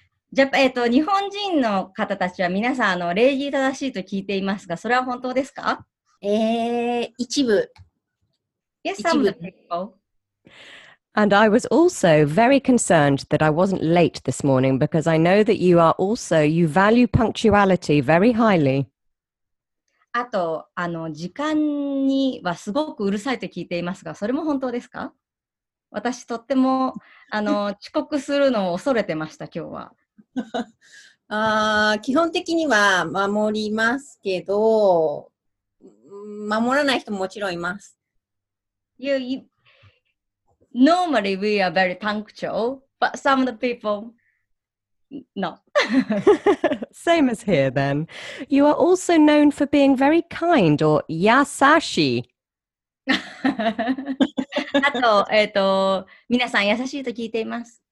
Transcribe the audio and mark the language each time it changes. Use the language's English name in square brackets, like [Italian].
[Japanese] 日本人の方たちは皆さんあの礼儀正しいと聞いていますが、それは本当ですか？一部。 [English] Yes, some of the people. And I was also very concerned that I wasn't late this morning because I know that you are also, you value punctuality very highly. [Japanese] あと、あの時間にはすごくうるさいと聞いていますが、それも本当ですか？私とってもあの遅刻するのを恐れてました、今日は。基本的には守りますけど、守らない人ももちろんいます。 [English] Normally we are very punctual, but some of the people, no. Same as here then. You are also known for being very kind or [Japanese] yasashi. あと、皆さん優しいと聞いています。